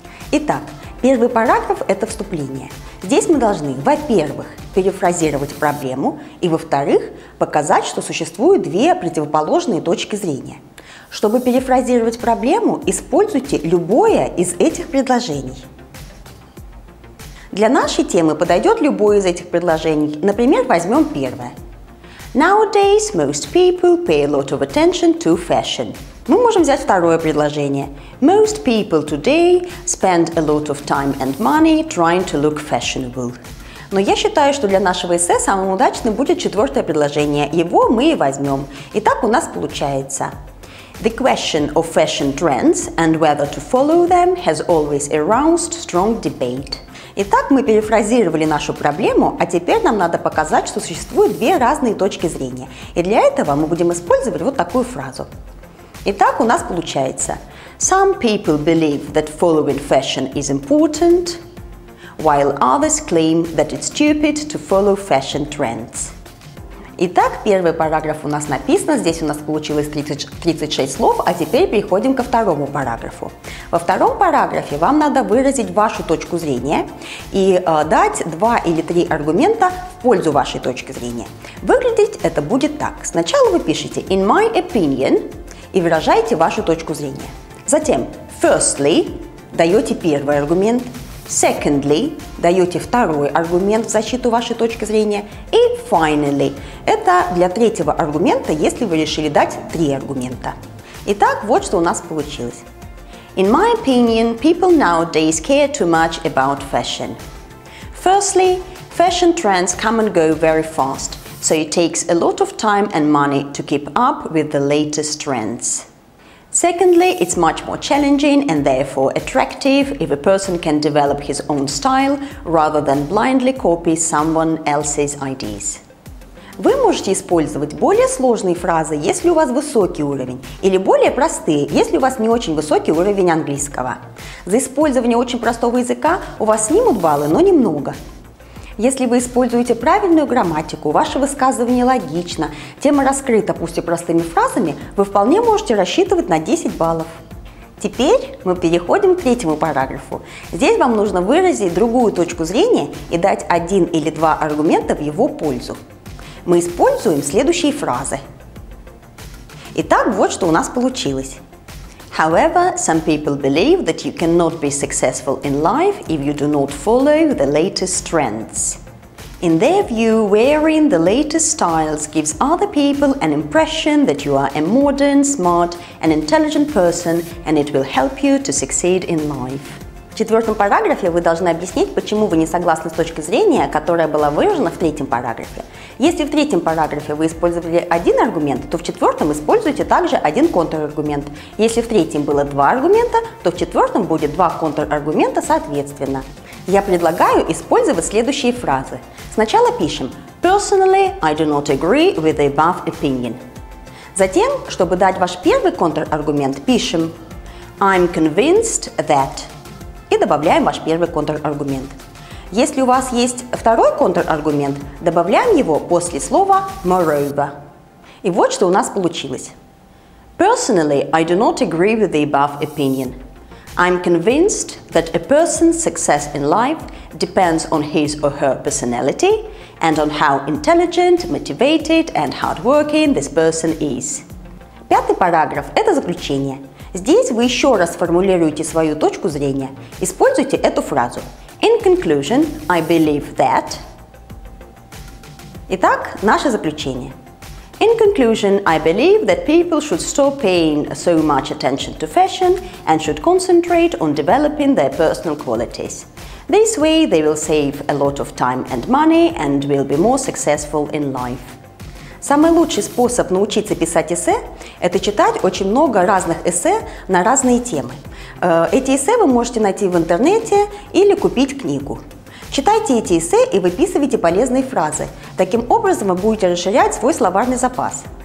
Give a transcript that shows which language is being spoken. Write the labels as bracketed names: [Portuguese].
[Russian] Итак, первый параграф – это вступление. Здесь мы должны, во-первых, перефразировать проблему, и, во-вторых, показать, что существуют две противоположные точки зрения. Чтобы перефразировать проблему, используйте любое из этих предложений. Для нашей темы подойдет любое из этих предложений. Например, возьмем первое. [English] Nowadays most people pay a lot of attention to fashion. [Russian] Мы можем взять второе предложение. [English] Most people today spend a lot of time and money trying to look fashionable. [Russian] Но я считаю, что для нашего эссе самым удачным будет четвертое предложение. Его мы и возьмем. Итак, у нас получается. [English] The question of fashion trends and whether to follow them has always aroused strong debate. [Russian] Итак, мы перефразировали нашу проблему, а теперь нам надо показать, что существуют две разные точки зрения. И для этого мы будем использовать вот такую фразу. Итак, у нас получается. [English] Some people believe that following fashion is important, while others claim that it's stupid to follow fashion trends. [Russian] Итак, первый параграф у нас написан, здесь у нас получилось 36 слов, а теперь переходим ко второму параграфу. Во втором параграфе вам надо выразить вашу точку зрения и дать 2 или 3 аргумента в пользу вашей точки зрения. Выглядеть это будет так. Сначала вы пишете [English] «in my opinion» [Russian] и выражаете вашу точку зрения. Затем «firstly» даете первый аргумент. Secondly, даете второй аргумент в защиту вашей точки зрения. И finally, это для третьего аргумента, если вы решили дать 3 аргумента. Итак, вот что у нас получилось. [English] In my opinion, people nowadays care too much about fashion. Firstly, fashion trends come and go very fast, so it takes a lot of time and money to keep up with the latest trends. Secondly, it's much more challenging and therefore attractive if a person can develop his own style rather than blindly copy someone else's ideas. [Russian] Вы можете использовать более сложные фразы, если у вас высокий уровень, или более простые, если у вас не очень высокий уровень английского. За использование очень простого языка у вас снимут баллы, но немного. Если вы используете правильную грамматику, ваше высказывание логично, тема раскрыта, пусть и простыми фразами, вы вполне можете рассчитывать на 10 баллов. Теперь мы переходим к третьему параграфу. Здесь вам нужно выразить другую точку зрения и дать 1 или 2 аргумента в его пользу. Мы используем следующие фразы. Итак, вот что у нас получилось. [English] However, some people believe that you cannot be successful in life if you do not follow the latest trends. In their view, wearing the latest styles gives other people an impression that you are a modern, smart, and intelligent person, and it will help you to succeed in life. [Russian] В четвертом параграфе вы должны объяснить, почему вы не согласны с точки зрения, которая была выражена в третьем параграфе. Если в третьем параграфе вы использовали 1 аргумент, то в четвертом используйте также 1 контраргумент. Если в третьем было 2 аргумента, то в четвертом будет 2 контраргумента соответственно. Я предлагаю использовать следующие фразы. Сначала пишем [English] «Personally, I do not agree with the above opinion». [Russian] Затем, чтобы дать ваш первый контраргумент, пишем [English] «I'm convinced that». [Russian] добавляем ваш первый контраргумент. Если у вас есть второй контраргумент, добавляем его после слова moreover. И вот что у нас получилось. [English] Personally, I do not agree with the above opinion. I'm convinced that a person's success in life depends on his or her personality and on how intelligent, motivated and hardworking this person is. [Russian] Пятый параграф – это заключение. Здесь вы еще раз формулируете свою точку зрения. Используйте эту фразу. [English] In conclusion, I believe that. [Russian] Итак, наше заключение. [English] In conclusion, I believe that people should stop paying so much attention to fashion and should concentrate on developing their personal qualities. This way they will save a lot of time and money and will be more successful in life. [Russian] Самый лучший способ научиться писать эссе – это читать очень много разных эссе на разные темы. Эти эссе вы можете найти в интернете или купить книгу. Читайте эти эссе и выписывайте полезные фразы. Таким образом вы будете расширять свой словарный запас.